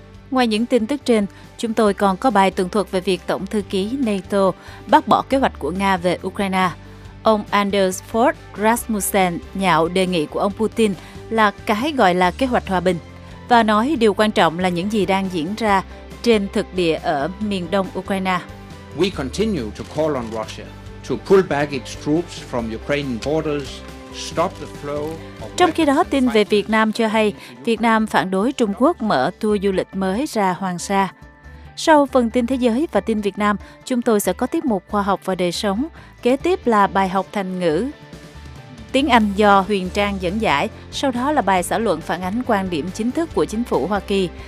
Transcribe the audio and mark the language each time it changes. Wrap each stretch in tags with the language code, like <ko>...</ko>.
<vi>Ngoài những tin tức trên, chúng tôi còn có bài tường thuật về việc Tổng thư ký NATO bác bỏ kế hoạch của Nga về Ukraine. Ông Anders Fogh Rasmussen nhạo đề nghị của ông Putin là cái gọi là kế hoạch hòa bình và nói điều quan trọng là những gì đang diễn ra trên thực địa ở miền đông Ukraine.</vi> <en>We continue to call on Russia to pull back its troops from Ukraine borders, stop the flow.</en> <vi>Trong khi đó, tin về Việt Nam cho hay Việt Nam phản đối Trung Quốc mở tour du lịch mới ra Hoàng Sa. Sau phần tin thế giới và tin Việt Nam, chúng tôi sẽ có tiết mục khoa học và đời sống, kế tiếp là bài học thành ngữ tiếng Anh do Huyền Trang dẫn giải, sau đó là bài xã luận phản ánh quan điểm chính thức của chính phủ Hoa Kỳ.</vi>